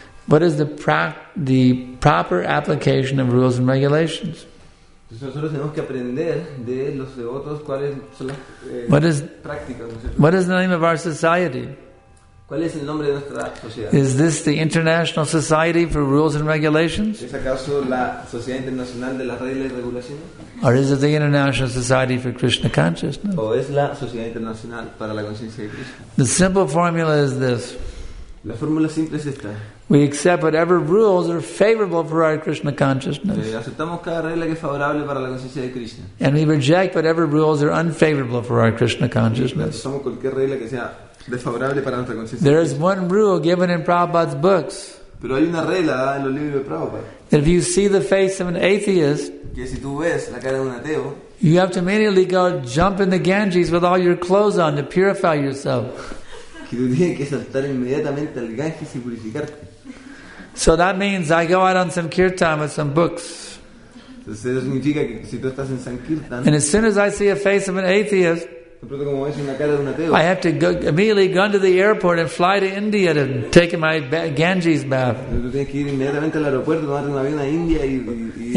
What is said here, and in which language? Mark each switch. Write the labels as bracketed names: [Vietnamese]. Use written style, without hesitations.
[English] What is the proper application of rules and regulations? What is the name of our society? [Spanish] ¿Cuál es el nombre de nuestra sociedad? [English] Is this the International Society for Rules and Regulations? [Spanish] ¿Es acaso la Sociedad Internacional de las Reglas y Regulaciones? [English] Or is it the International Society for Krishna Consciousness? [Spanish] ¿O es la Sociedad Internacional para la Conciencia de Krishna? [English] The simple formula is this. [Spanish] La fórmula simple es esta. [English] We accept whatever rules are favorable for our Krishna consciousness. [Spanish] Aceptamos cada regla que es favorable para la conciencia de Krishna. [English] And we reject whatever rules are unfavorable for our Krishna consciousness. [Spanish] Aceptamos cualquier regla que sea desfavorable para nuestra conciencia. [English] There is one rule given in Prabhupada's books. [Spanish] Pero hay una regla en los libros de Prabhupada. [English] If you see the face of an atheist, [Spanish] que si tú ves la cara de un ateo, [English] you have to immediately go jump in the Ganges with all your clothes on to purify yourself. [Spanish] Que tú tienes que saltar inmediatamente al Ganges y purificarte. [English] So that means I go out on some kirtan with some books. [Spanish] Entonces eso significa que si tú estás en sankirtan. [English] And as soon as I see a face of an atheist, [Spanish] como ves una cara de un ateo, [English] I have to go, immediately go to the airport and fly to India to take my Ganges bath. [Spanish] Tú tienes que ir inmediatamente al aeropuerto, tomar un avión a India y.